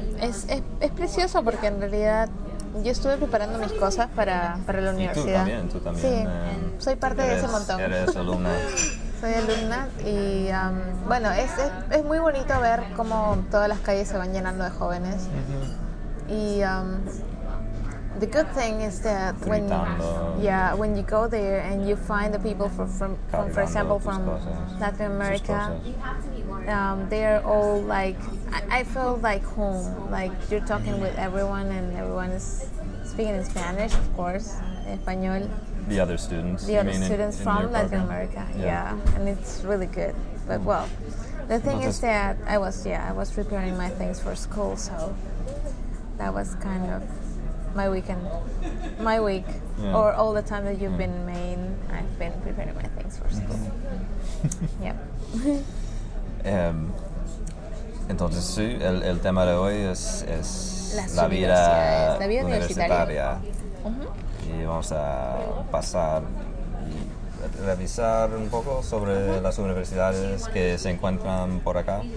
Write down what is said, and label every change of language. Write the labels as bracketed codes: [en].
[es] Es precioso porque en realidad yo estuve preparando mis cosas para la universidad. Y tú también. Sí, soy parte de ese montón. Eres alumna. Soy alumna y, bueno, es muy bonito ver cómo todas las calles se van llenando de jóvenes. Uh-huh. Y, [en] The good thing is that when you go there and you find the people from for example, from Latin America, they are all like, I feel like home. Like, you're talking with everyone and everyone is speaking in Spanish, of course, Español. The other students. The other students from Latin America, yeah. And it's really good. But, well, the thing is that I was preparing my things for school, so that was kind of my weekend, my week, or all the time that you've been in Maine, I've been preparing my things for school. Yep. [es] Entonces, sí, el tema de hoy es la vida universitaria. Y vamos a pasar, revisar un poco sobre las universidades que se encuentran por acá.